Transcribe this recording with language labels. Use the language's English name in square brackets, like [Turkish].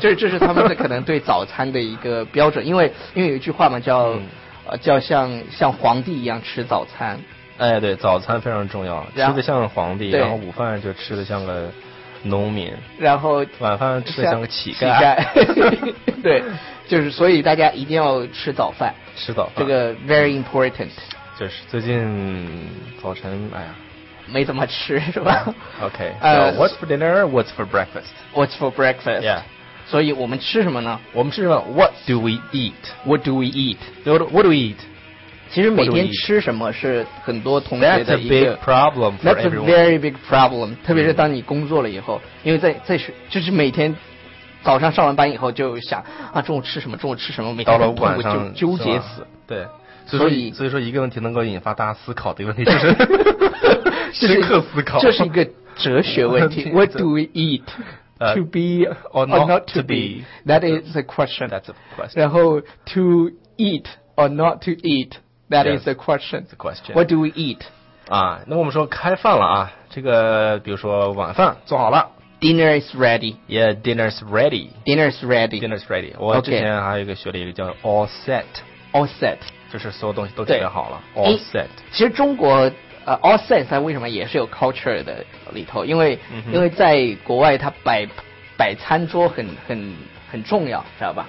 [Chinese] 对，这是他们的可能对早餐的一个标准，因为有一句话嘛，叫、叫像皇帝一样吃早餐。哎，对，早餐非常重要，吃得像皇帝，然后午饭就吃得像个农民，然后晚饭吃得像个乞丐。对，就是所以大家一定要吃早饭，吃早饭这个 [English] very important。 [Chinese] 就是最近早晨，哎呀。没怎么吃是吧 [English] OK、so what's for dinner what's for breakfast what's for breakfast yeah [Chinese] 所以我们吃什么呢我们吃什么 [English] what do we eat what do we eat what do we eat [Chinese] 其实每天吃什么是很多同学的一个 [English] that's a big problem for everyone that's a very big problem [Chinese] 特别是当你工作了以后、 [English] mm. [Chinese] 因为在就是每天早上上完班以后就想啊中午吃什么中午吃什么每天到了晚上就纠结死对所以说一个问题能够引发大家思考的一个问题就是深刻思考这是一个哲学问题 [English] What do we eat to be or not to be that is a question that's a question 然后 to eat or not to eat that is a question it's a question what do we eat [Chinese] 啊，那我们说开饭了啊这个比如说晚饭做好了 [English] dinner is ready yeah dinner is ready dinner is ready dinner is ready [Chinese] 我之前还有一个学了一个叫 [English] all set all set [Chinese] 就是所有东西都准备好了 [English] all set [Chinese] 其实中国all set 它为什么也是有 culture 的里头因为在国外它摆餐桌很重要知道吧、